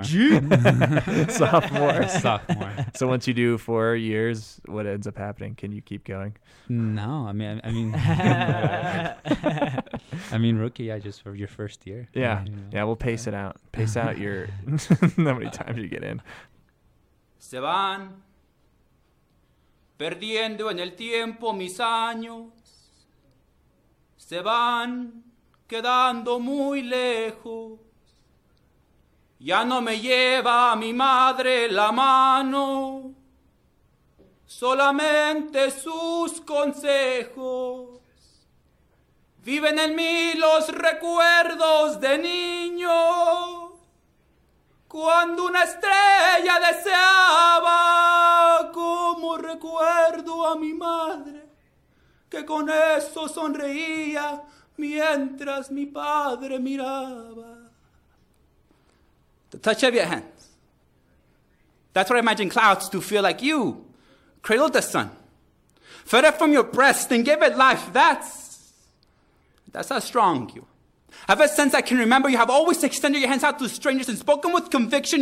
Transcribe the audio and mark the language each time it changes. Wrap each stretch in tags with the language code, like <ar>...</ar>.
<en>OG. Sophomore. Sophomore. So once you do 4 years, what ends up happening? Can you keep going? No, I mean, rookie, yeah, just for your first year. Yeah, I mean, you know, we'll pace it out. Pace out your how many times you get in.</en> <es>Se van perdiendo en el tiempo mis años. Se van quedando muy lejos. Ya no me lleva a mi madre la mano, solamente sus consejos. Viven en mí los recuerdos de niño, cuando una estrella deseaba, como recuerdo a mi madre, que con eso sonreía mientras mi padre miraba.</es> <en>The touch of your hands. That's what I imagine clouds to feel like you. Cradle the sun. Fed it from your breast and give it life. That's how strong you are. Ever since I can remember, you have always extended your hands out to strangers and spoken with conviction.</en>